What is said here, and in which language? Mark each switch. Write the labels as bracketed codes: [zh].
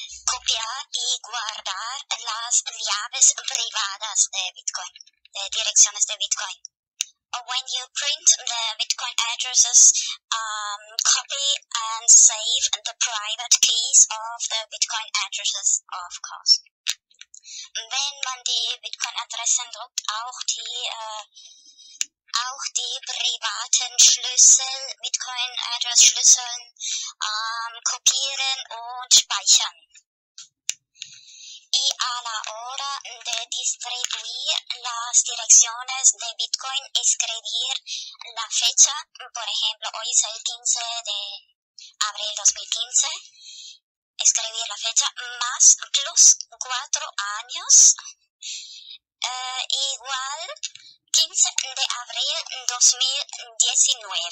[es] copiar y guardar las llaves privadas de Bitcoin, de direcciones de Bitcoin. [en] When you print the Bitcoin addresses, copy and save the private keys of the Bitcoin addresses, of course. [de] Wenn man die Bitcoin-Adressen druckt, auch die privaten Schlüssel, Bitcoin-Address-Schlüssel, kopieren und speichern. [es] Y a la hora de distribuir las direcciones de Bitcoin, escribir la fecha, por ejemplo, hoy es el 15 de abril 2015, escribir la fecha más plus 4 años, igual 15 de abril 2019.